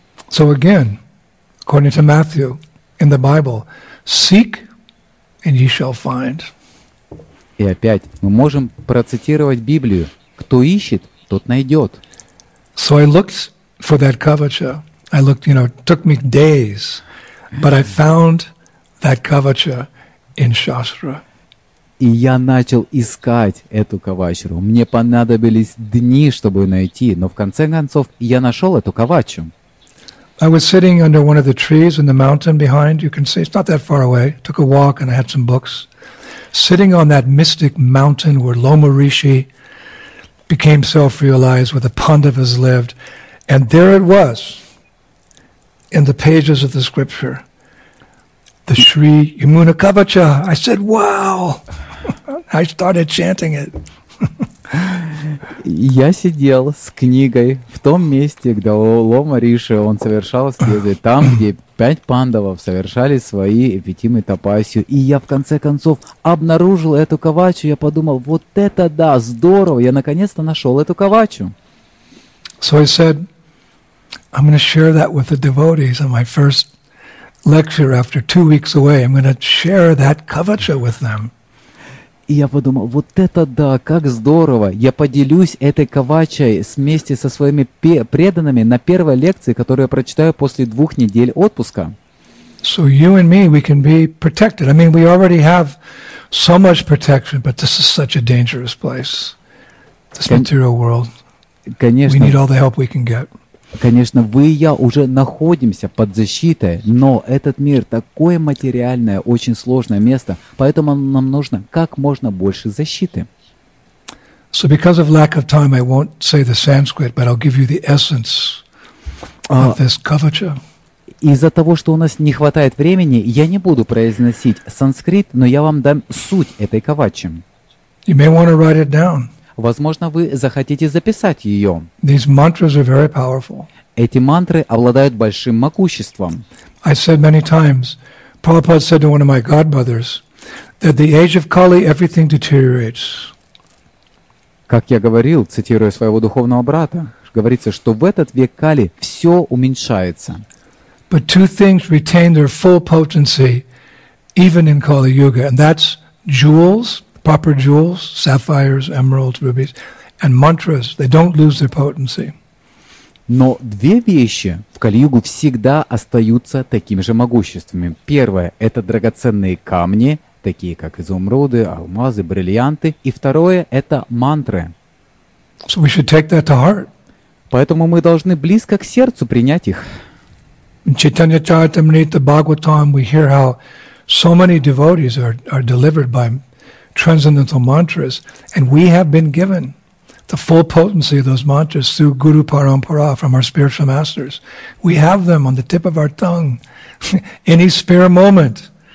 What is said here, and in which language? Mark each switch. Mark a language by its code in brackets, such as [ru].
[en] So again, according to Matthew in the Bible, seek and ye shall find. [ru] И опять мы можем процитировать Библию: кто ищет, тот найдет. [en] So I looked for that kavacha. I looked, you know, it took me days. But I found that kavacha in Shastra. [ru] И я начал искать эту кавачру. Мне понадобились дни, чтобы найти, но в конце концов я нашел эту кавачу. [en] I was sitting under one of the trees in the mountain behind. You can see it's not that far away. Took a walk and I had some books. Sitting on that mystic mountain where Loma Rishi became self-realized, where the Pandavas lived, and there it was. In the pages of the scripture, the Sri Yamuna Kavacha. I said, "Wow!" I started chanting it. [ru] Я сидел с книгой в том месте, где Лома Риши он совершал следы, там, где пять пандавов совершали свои эпитимы тапасью, и я в конце концов обнаружил эту кавачу. Я подумал, вот это да, здорово! Я наконец-то нашел эту кавачу. [en] So I said, I'm going to share that with the devotees on my first lecture after 2 weeks away. I'm going to share that kavacha with them. [ru] И я подумал, вот это да, как здорово! Я поделюсь этой кавачей вместе со своими преданными на первой лекции, которую я прочитаю после двух недель отпуска. [en] So you and me, we can be protected. I mean, we already have so much protection, but this is such a dangerous place, this material world. [ru] Конечно. [en] We need all the help we can get. [ru] Конечно, вы и я уже находимся под защитой, но этот мир такое материальное, очень сложное место, поэтому нам нужно как можно больше защиты. [en] So because of lack of time, I won't say the Sanskrit, but I'll give you the essence of this kavacha. [ru] Из-за того, что у нас не хватает времени, я не буду произносить санскрит, но я вам дам суть этой кавачи. [en] You may want to write it down. [ru] Возможно, вы захотите записать ее. [en] These mantras are very powerful. [ru] Эти мантры обладают большим могуществом. [en] I said many times, Prabhupada said to one of my godbrothers, that the age of Kali, everything deteriorates. [ru] Как я говорил, цитируя своего духовного брата, говорится, что в этот век Кали все уменьшается. [en] But two things retain their full potency, even in Kali-Yuga, and that's jewels, proper jewels, sapphires, emeralds, rubies, and mantras, they don't lose their potency. [ru] Но две вещи в Кали-Югу всегда остаются такими же могущественными. Первое – это драгоценные камни, такие как изумруды, алмазы, бриллианты. И второе – это мантры. [en] So we should take that to heart. [ru] Поэтому мы должны близко к сердцу принять их. [en] In Chaitanya Charitamrita Bhagavatam, we hear how so many devotees are delivered by transcendental mantras, and we have been given the full potency of those mantras through Guru Parampara from our spiritual masters. We have them on the tip of our tongue, any spare moment.